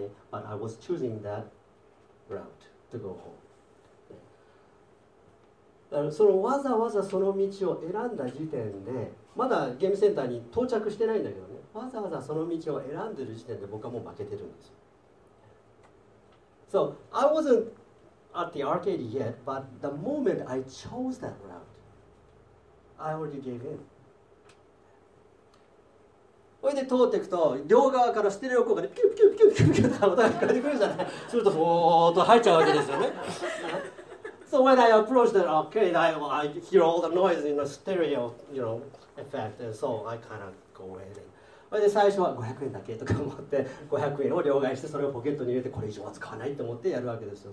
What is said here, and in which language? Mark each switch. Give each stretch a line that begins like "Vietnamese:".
English: But I was choosing that route to go home.
Japanese: だからそのわざわざその道を選んだ時点で、まだゲームセンターに到着してないんだけどね。わざわざその道を選んでる時点で僕はもう負けてるんですよ。
English: So I wasn't at the arcade yet, but the moment I chose that route, I already gave in.
Japanese: それで通っていくと、両側からステレオ効果でピュピュピュピュピュピュって音が聞こえてくるじゃない。するとボーッと入っちゃうわけですよね。
English: So when I approached the arcade, I hear all the noise in the stereo, you know, effect, and so I kind of go in.
Japanese: それで最初は500円だけとか思って500円を両替してそれをポケットに入れてこれ以上は使わないと思ってやるわけですよ。